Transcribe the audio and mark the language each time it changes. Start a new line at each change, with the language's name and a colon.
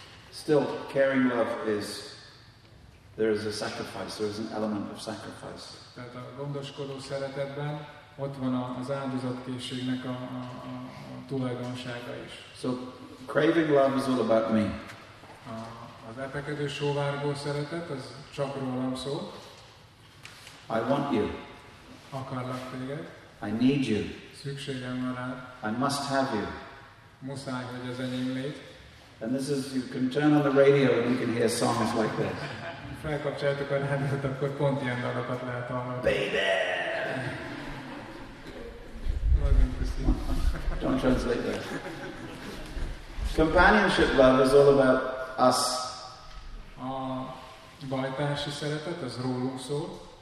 English: Still, caring love is, there is a sacrifice, there is an element of sacrifice.
Hungarian: Tehát a gondoskodó szeretetben ott van az áldozatkészségnek a tulajdonsága is.
English: So, craving love is all about me.
Hungarian: Az epekedő sóvárgó szeretet, az csak rólam szól.
English: I want you.
Hungarian: Akarlak téged.
English: I need you.
Hungarian: Szükségem van rád.
English: I must have you.
Hungarian: Muszáj, hogy az enyém légy.
English: And this is, you can turn on the radio and you can hear songs like this.
Hungarian: Felkapcsoljátok a rádiót, akkor pont ilyen dalokat lehet hallani.
English: Baby! Don't translate that. Companionship love is all about us.
Hungarian: A bajtársi szeretet, az rólunk szól.